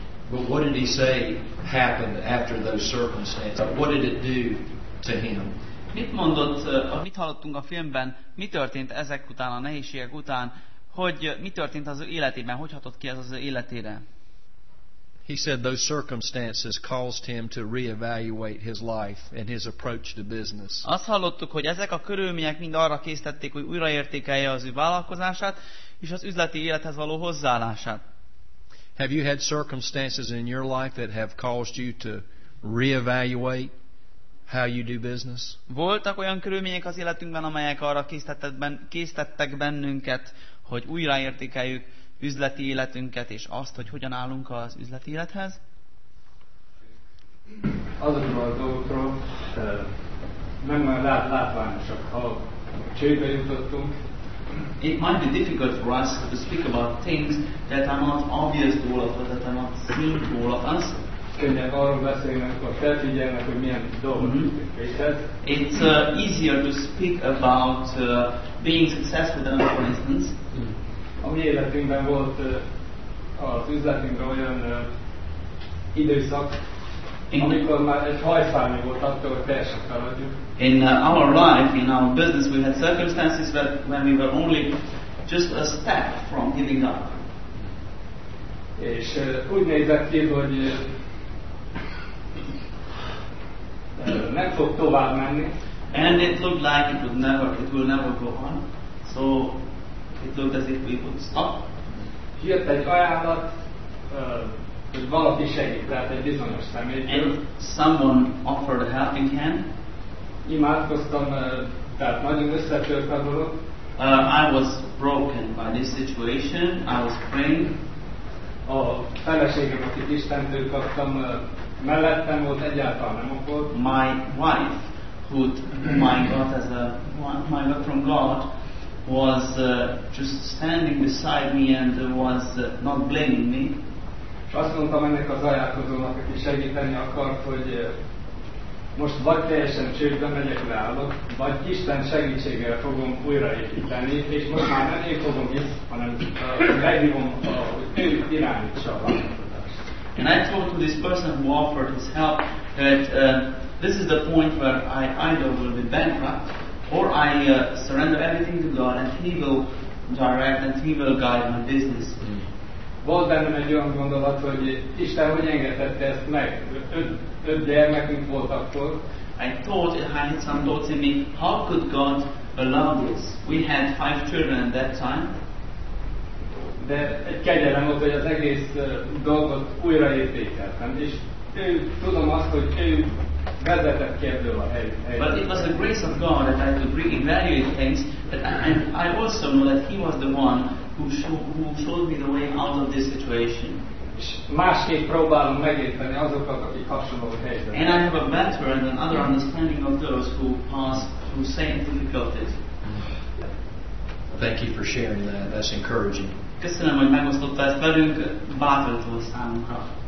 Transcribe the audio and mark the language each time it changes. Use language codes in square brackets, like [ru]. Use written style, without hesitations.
[en] But what did he say happened after those circumstances? What did it do to him? [hu] Mit mondott, mit hallottunk a filmben, mi történt ezek után, a nehézségek után, hogy mi történt az ő életében, hogy hatott ki ez az ő életére? [en] He said those circumstances caused him to reevaluate his life and his approach to business. [hu] Azt hallottuk, hogy ezek a körülmények mind arra késztették, hogy újraértékelje az ő vállalkozását és az üzleti élethez való hozzáállását. [en] Have you had circumstances in your life that have caused you to reevaluate how you do business? [hu] Voltak olyan körülmények az életünkben, amelyek arra késztettek bennünket, hogy újraértékeljük üzleti életünket és azt, hogy hogyan állunk az üzleti élethez? Azokról a dolgokról meg már látványosak, ha csődbe jutottunk. [en] It might be difficult for us to speak about things that are not obvious to all of us, that are not seen to all of us. [hu] Könnyebb arról beszélni, amikor felfigyelnek, hogy milyen dolgok. [en] It's easier to speak about being successful than, for instance, [hu] a mi életünkben volt az üzletünkben olyan időszak, amikor már egy hajfárnyi volt attól, hogy teljesen feladjuk. [en] In our life, in our business, we had circumstances when we were only just a step from giving up. [hu] És úgy nézett ki, hogy meg fog tovább menni. [en] And it looked like it will never go on. So it looked as if we would stop. [hu] Jött egy ajánlat, hogy valaki segít, tehát egy bizonyos személy. [en] And someone offered a helping hand. [hu] Imádkoztam, tehát nagyon összetört a dolog. [en] I was broken by this situation. I was praying. [hu] A feleségem, akit Istentől kaptam, mellettem volt, egyáltalán nem okolt. [en] My wife, whom I got from God, was just standing beside me and was not blaming me. [hu] Azt mondtam ennek az ajánlkozónak, aki segíteni akart, hogy most vagy teljesen csődbe megyek, leállok, vagy Isten segítségével fogom újraépíteni, és most már nem én fogom itt, hanem megnyom, hogy ő irányítsa a vállalkozást. [en] And I told to this person who offered his help that this is the point where I either will be bankrupt, or I surrender everything to God and He will direct and He will guide my business. [hu] Volt bennem egy olyan gondolat, hogy Isten, hogy engedhette ezt meg? Öt gyermekünk volt akkor. [en] I thought, I had some thoughts in me, how could God allow this? We had five children at that time. [hu] De egy kegyelem volt, hogy az egész dolgot újraértékeltem. És tudom azt, hogy ő vezetett ki ebből a helyzetből. [en] But it was the grace of God that I could reevaluate things, and I also know that He was the one who showed me the way out of this situation. [hu] És másképp próbálom megérteni azokat, akik hasonló helyzetben. [en] And I have a better and another understanding of those who pass through same difficulties. Thank you for sharing that. That's encouraging. [hu] Köszönöm, hogy megosztottál ezt velünk, bátor volt számunkra.